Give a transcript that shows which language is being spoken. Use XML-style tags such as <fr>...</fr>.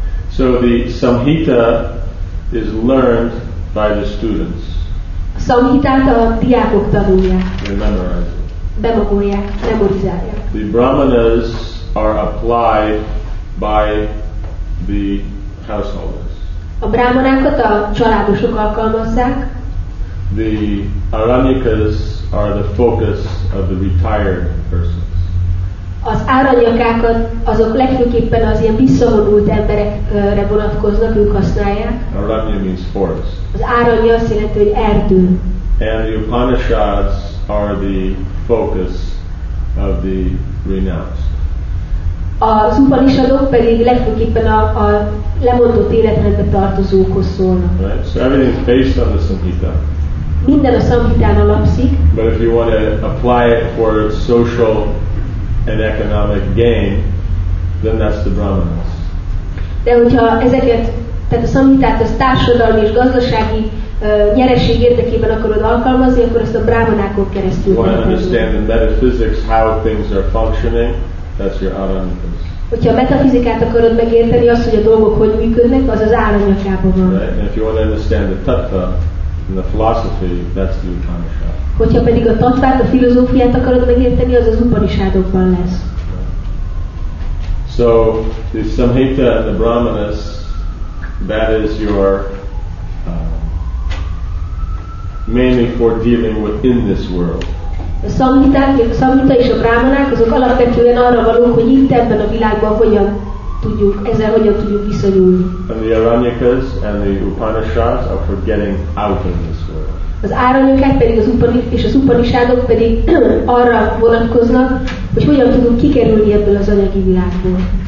<en>So the Samhita is learned by the students.</en> <hu>Samhitát a diákok tanulják.</hu> <en>They memorize it.</en> <hu>Bemagolják, memorizálják.</hu> <en>The brahmanas are applied by the householders.</en> <hu>A brahmanákat a családosok alkalmazzák.</hu> <en>The aranyakas are the focus of the retired persons.</en> <hu>Az áranyakákat azok legfőképpen az ilyen visszavonult emberekre vonatkoznak, ők használják.</hu> <en>Aranya means forest.</en> <hu>Az áranya azt jelenti, hogy erdő.</hu> <en>And the Upanishads are the focus of the renounced.</en> <hu>Az Upanishadok pedig legfőképpen a lemondott életrendbe tartozókhoz szólnak.</hu> <en>Right? So everything is based on the Samhita.</en> <hu>Minden a Samhitán alapszik.</hu> <en>But if you want to apply it for social and economic gain, then that's the Brahmanas.</en> <hu>De hogyha ezeket, tehát a Samhitát az társadalmi és gazdasági nyereség érdekében akarod alkalmazni, akkor ezt a Brahmanákon keresztül.</hu> <en>You want to understand the metaphysics, how things are functioning, that's your Aranyakas.</en> <hu>Hogyha a metafizikát akarod megérteni, azt, hogy a dolgok hogy működnek, az az Aranyakában van.</hu> <en>Right. And if you want to understand the tattva, in the philosophy, that's the Upanishad.</en> <hu>Hogyha pedig a tattvát, a filozófiát akarod megérteni, az az Upanishadokban lesz.</hu> <en>So, the Samhita and the Brahmanas, that is your mainly for dealing within this world.</en> <hu>A Samhita és a Brahmanák, azok alapvetően arra valók, hogy itt ebben a világban hogyan tudjuk, ezzel hogyan tudjuk viszonyulni.</hu> <en>And the Aranyakas and the Upanishads are for getting out of this world.</en> <hu>Az Aranyakák pedig az Upanishadok pedig arra vonatkoznak, hogy hogyan tudunk kikerülni ebből az anyagi világból.</hu>